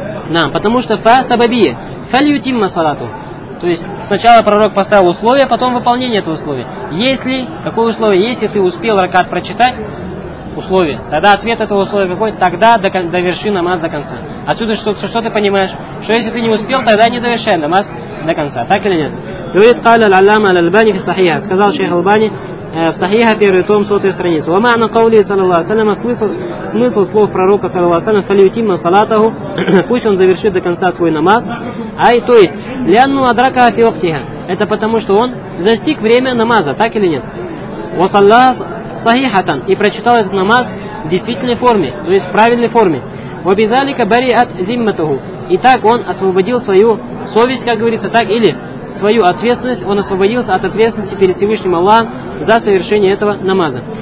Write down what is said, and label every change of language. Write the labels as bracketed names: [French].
[Russian] Да, потому что фа сабабия. [Arabic] Фальютимма салату. [Russian] То есть сначала пророк поставил условие, потом выполнение этого условия. Если... Какое условие? Если ты успел ракат прочитать, условие, тогда ответ этого условия какой? Тогда доверши намаз до конца. Отсюда что ты понимаешь? Что если ты не успел, тогда не довершай намаз до конца. Так или нет? Говорит, [Arabic] قال العلامة الألباني في صحيحه. [Russian] Сказал шейх аль-Албани в صحيحه, первый том, 100 страница. [Arabic] ومعنى قوله صلى الله عليه وسلم, [Russian] смысл слов пророка [Arabic] صلى الله عليه وسلم, فليتم صلاته, [Russian] пусть он завершит до конца свой намаз. Ай, то есть, [Arabic] لأنه أدركها في وقتها. [Russian] Это потому, что он застиг время намаза, так или нет? [Arabic] وصلى صحيحة, [Russian] и прочитал этот намаз в действительной форме, то есть в правильной форме. [Arabic] وبذلك برئت ذمته. [Russian] И так он освободил свою совесть, как говорится, так или свою ответственность, он освободился от ответственности перед Всевышним Аллахом за совершение этого намаза.